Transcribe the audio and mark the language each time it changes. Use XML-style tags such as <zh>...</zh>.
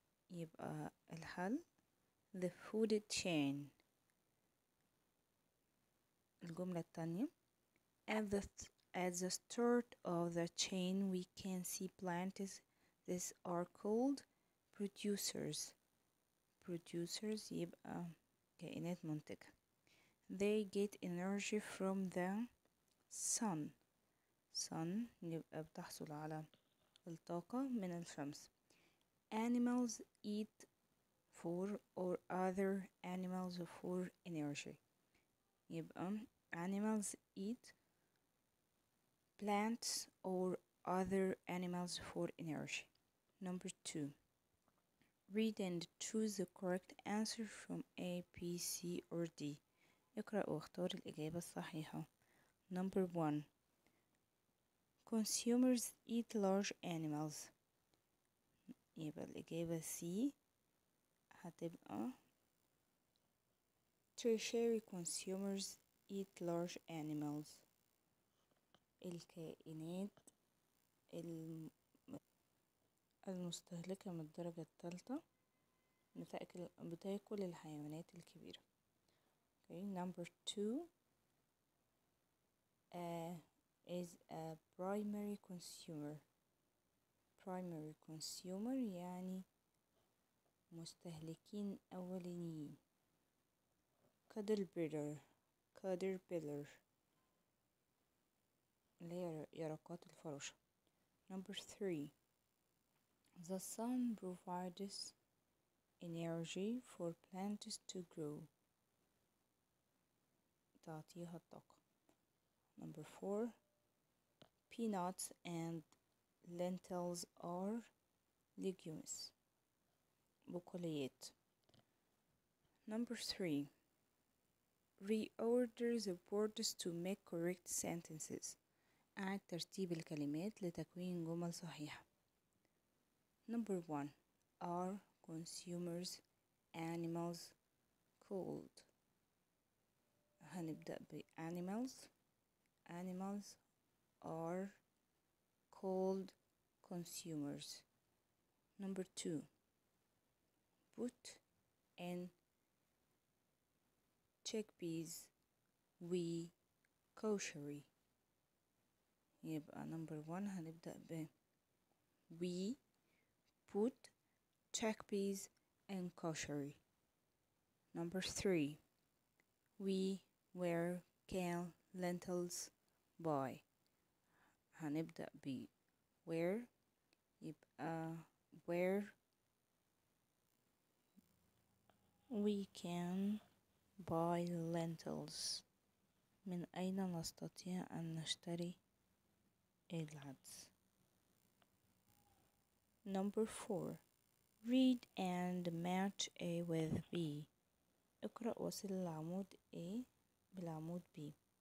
<ar>يبقى الحل.</ar> <en>The food chain.</en> <ar>الجملة التانية.</ar> <en>At the start of the chain, we can see plants. This are called producers.</en> <ar>Producers يبقى كائنات منتجة.</ar> <en>They get energy from the sun.</en> <ar>Sun يبقى بتحصل على الطاقة من الشمس.</ar> <en>Animals eat for or other animals for energy.</en> <ar>يبقى</ar> <en>animals eat plants or other animals for energy. Number 2. Read and choose the correct answer from A, B, C or D.</en> <ar>اقرأ واختار الإجابة الصحيحة.</ar> <en>Number 1. Consumers eat large animals.</en> <ar>يبقى الإجابة C هتبقى</ar> <en>Tertiary consumers eat large animals.</en> <ar>الكائنات المستهلكة من الدرجة الثالثة بتاكل الحيوانات الكبيرة.</ar> <en>Okay, number 2 is a primary consumer.</en> <ar>Primary consumer يعني مستهلكين أولين. Caterpillar اللي هي يرقات الفراشة.</ar> <en>Number 3. The sun provides energy for plants to grow.</en> <ar>تعطيها الطاقة.</ar> <en>Number 4. Peanuts and lentils are legumes. بقوليات. Number 3. Reorder the words to make correct sentences.</en> <ar>أعد ترتيب الكلمات لتكوين جمل صحيحة.</ar> <en>Number 1. Are consumers animals cold?</en> <ar>هنبدأ بanimals.</ar> <en>Animals are cold consumers. Number 2. Put in chickpeas we kosheri.</en> <ar>يبقى</ar> <en>number 1</en> <ar>هنبدأ ب</ar> <en>we put chickpeas in kosher. Number 3 we where can lentils buy.</en> <ar>هنبدأ ب</ar> <en>where</en> <ar>يبقى</ar> <en>where we can buy lentils.</en> <ar>من أين نستطيع أن نشتري العدس.</ar> <en>Number 4. Read and match A with B.</en> <ar>اقرأ وصل العمود A بالعمود B.</ar>